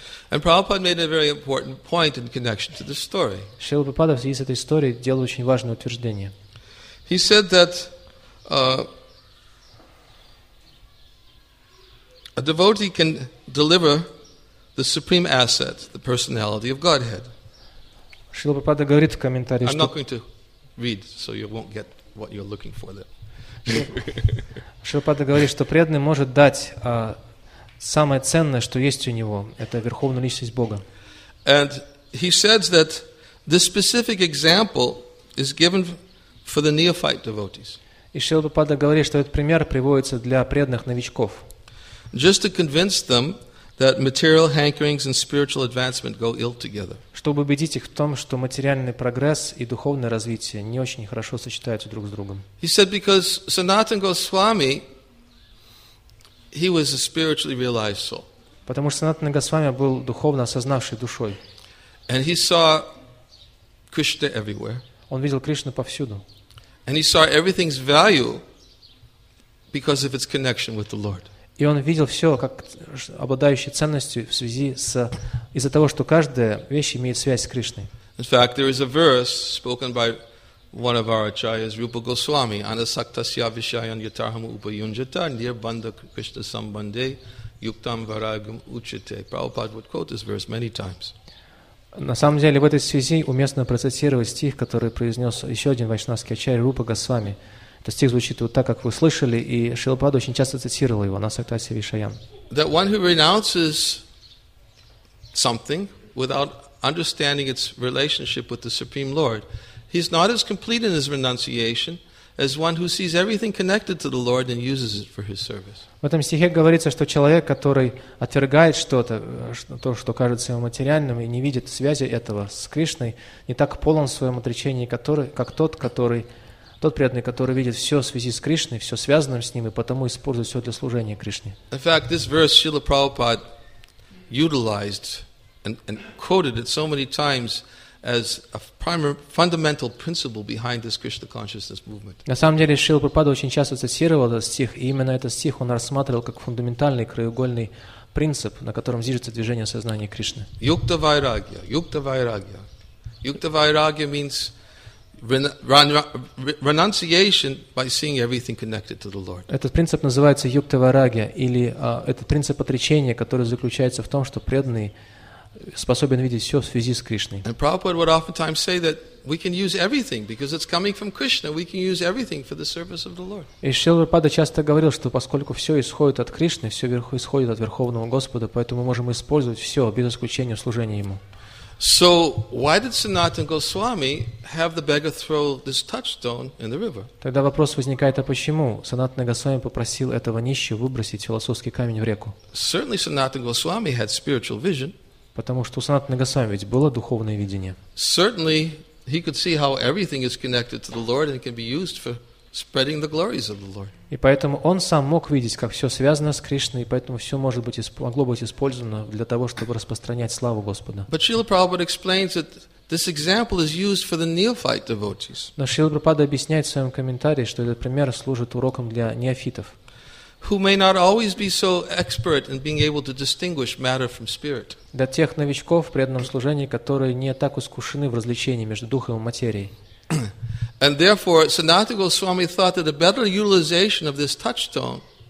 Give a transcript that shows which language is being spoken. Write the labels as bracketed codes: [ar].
[en] And Prabhupada made a very important point in connection to this story. [ru] Шрила Прабхупада в связи с этой историей делал очень важное утверждение. [en] He said that a devotee can deliver the supreme asset, the personality of Godhead. [ru] Шрила Прабхупада говорит в комментарии, [en] I'm not going to read, so you won't get what you're looking for there. [ru] Шрила Прабхупада говорит, что преданный может дать самое ценное, что есть у него, это верховная личность Бога. [en] And he says that this specific example is given for the neophyte devotees. [ru] И Шрила Прабхупада говорит, что этот пример приводится для преданных новичков. [en] Just to convince them that material hankerings and spiritual advancement go ill together. [ru] Чтобы убедить их в том, что материальный прогресс и духовное развитие не очень хорошо сочетаются друг с другом. [en] He said because Sanatana Goswami, he was a spiritually realized soul. [ru] Потому что Санатана Госвами был духовно осознавшей душой. [en] And he saw Krishna everywhere. [ru] Он видел Кришну повсюду. [en] And he saw everything's value because of its connection with the Lord. [ru] И он видел все как обладающее ценностью в связи с из-за того, что каждая вещь имеет связь с Кришной. [en] In fact, there is a verse spoken by one of our acharyas, Rupa Goswami, [sa] Anasaktasya Vishayan Yatarham Upayunjata, Nirbanda Krishna Sambande, Yuktam Varagam Uchite. [en] Prabhupada would quote this verse many times. [ru] На самом деле, в этой связи уместно процитировать стих, который произнес еще один вайшнавский ачарь Рупа Госвами. Этот стих звучит вот так, как вы слышали, и Шрила Прабхупада очень часто цитировал его, [sa] Анасактасья Вишаян. [en] That one who renounces something without understanding its relationship with the Supreme Lord, he's not as complete in his renunciation as one who sees everything connected to the Lord and uses it for his service. [ru] В этом стихе говорится, что человек, который отвергает что-то, то, что кажется ему материальным, и не видит связи этого с Кришной, не так полон в своем отречении, как тот преданный, который видит все в связи с Кришной, все связанным с Ним, и потому использует все для служения Кришне. [en] In fact, this verse Srila Prabhupada utilized and quoted it so many times as a primary fundamental principle behind this Krishna consciousness movement. [ru] На самом деле, Шрила Прабхупада очень часто цитировал этот стих, и именно этот стих он рассматривал как фундаментальный краеугольный принцип, на котором зиждется движение сознания Кришны. [en] Yukta Vairagya, Yukta Vairagya. Yukta Vairagya means renunciation by seeing everything connected to the Lord. [ru] Этот принцип называется Yukta Vairagya, или этот принцип отречения, который заключается в том, что преданный способен видеть все в связи с Кришной. [en] And Prabhupada would oftentimes say that we can use everything because it's coming from Krishna. We can use everything for the service of the Lord. [ru] И Шрила Прабхупада часто говорил, что поскольку все исходит от Кришны, все вверху исходит от Верховного Господа, поэтому мы можем использовать все без исключения в служении Ему. [en] So why did Sanatana Goswami have the beggar throw this touchstone in the river? [ru] Тогда вопрос возникает, а почему Санатана Госвами попросил этого нищего выбросить философский камень в реку? [en] Certainly Sanatana Goswami had spiritual vision. [ru] Потому что у Санатана Госвами ведь было духовное видение. [en] Certainly, he could see how everything is connected to the Lord and can be used for spreading the glories of the Lord. [ru] И поэтому он сам мог видеть, как все связано с Кришной, и поэтому все может быть могло быть использовано для того, чтобы распространять славу Господа. [en] But Srila Prabhupada explains that this example is used for the neophyte devotees. [ru] Но Шрила Прабхупада объясняет в своем комментарии, что этот пример служит уроком для неофитов. [en] Who may not always be so expert in being able to distinguish matter from spirit. [ru] Для тех новичков в преданном служении, которые не так искушены в различении между духом и материей. [en] And therefore, Sanatana Goswami thought that a better utilization of this touchstone.